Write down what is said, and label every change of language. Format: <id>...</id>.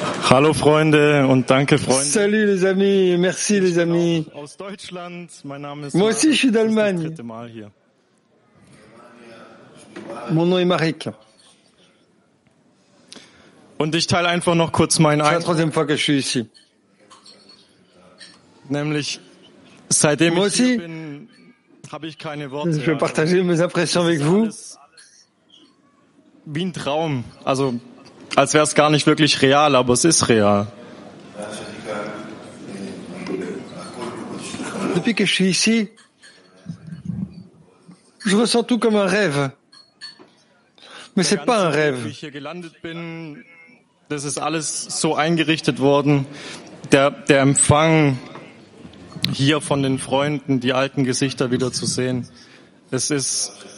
<de>Hallo Freunde und danke Freunde.</de> <fr>Salut les amis, merci les amis.</fr> <de>Aus Deutschland, mein Name ist</de> <fr>Moi Marc. Aussi je suis d'Allemagne. Mon nom est Marek.</fr> <de>Und ich teile einfach noch kurz meinen Eindruck.</de> <fr>Fois que je suis ici.</fr> <de>Nämlich seitdem</de> <fr>Moi</fr> <de>ich hier bin, habe ich keine Worte.</de> <fr>Je vais partager mes impressions avec vous.</fr> <de>Wie ein Traum, also als wäre es gar nicht wirklich real, aber es ist real.</de> <fr>Depuis que je suis ici, je ressens tout comme un rêve. Mais c'est pas un rêve.</fr> <de>Wie ich hier gelandet bin, das ist alles so eingerichtet worden. Der Empfang hier von den Freunden, die alten Gesichter wieder zu sehen, es ist.</de>